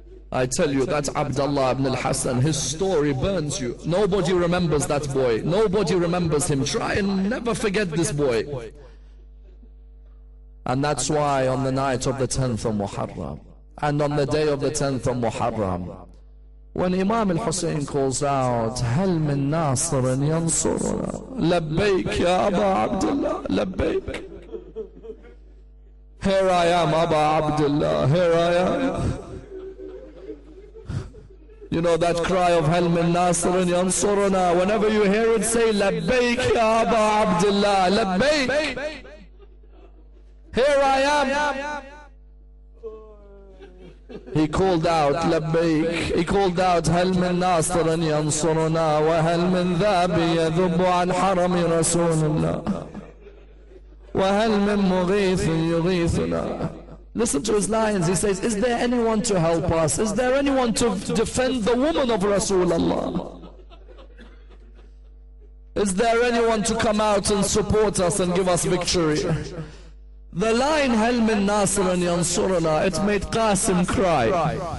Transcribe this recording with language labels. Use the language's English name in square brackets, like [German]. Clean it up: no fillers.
[English] I tell you, that's Abdullah ibn al-Hassan. His story burns you. Nobody remembers that boy. Nobody remembers him. Try and never forget this boy. And that's why on the night of the 10th of Muharram, and on the day of the 10th of Muharram, When Imam al-Hussein calls out, [Arabic] هل من ناصر ينصرنا؟ لبيك يا أبا عبد الله لبيك. [English] Here I am, Abba Abdullah, here I am. You know that cry of [Arabic] هل من ناصر ينصرنا؟ [English] Whenever you hear it, say [Arabic] لبيك يا أبا عبد الله لبيك. [English] Here I am. He called out لبيك. He called out [Arabic] هل من ناصر ينصرنا وهل من ذاب يذب عن حرم رسول الله وهل من مغيث يغيثنا. [English] Listen to his lines. He says, is there anyone to help us? Is there anyone to defend the woman of رسول الله? Is there anyone to come out and support us and give us victory? The line [Arabic] هل من ناصر ينصرنا, [English] it made Qasim cry.